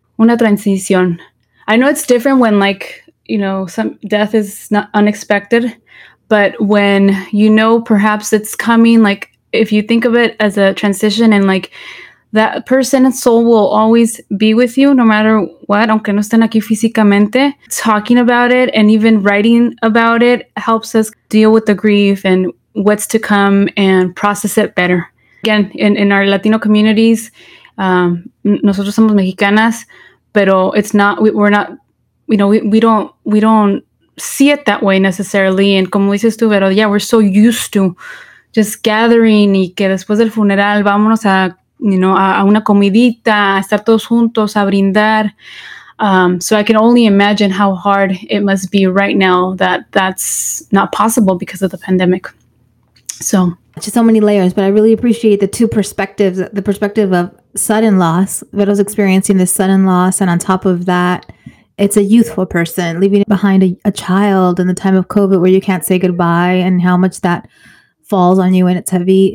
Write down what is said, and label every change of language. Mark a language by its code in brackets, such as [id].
[es] Una transición. [en] I know it's different when, like, you know, some death is not unexpected, but when you know perhaps it's coming, like, if you think of it as a transition, and like that person and soul will always be with you no matter what, [es] aunque no estén aquí físicamente, [en] talking about it and even writing about it helps us deal with the grief and what's to come and process it better. Again, in our Latino communities, [es] nosotros somos mexicanas, pero [en] it's not, we're not, you know, we don't see it that way necessarily. And [es] como dices tú, pero [en] yeah, we're so used to just gathering [es] y que después del funeral vámonos a, [en] you know, [es] a una comidita, a estar todos juntos, a brindar. [en] So I can only imagine how hard it must be right now that that's not possible because of the pandemic. So just so many layers, but I really appreciate the two perspectives, the perspective of sudden loss, Vero's experiencing this sudden loss. And on top of that, it's a youthful person leaving behind a child in the time of COVID where you can't say goodbye and how much that falls on you and it's heavy.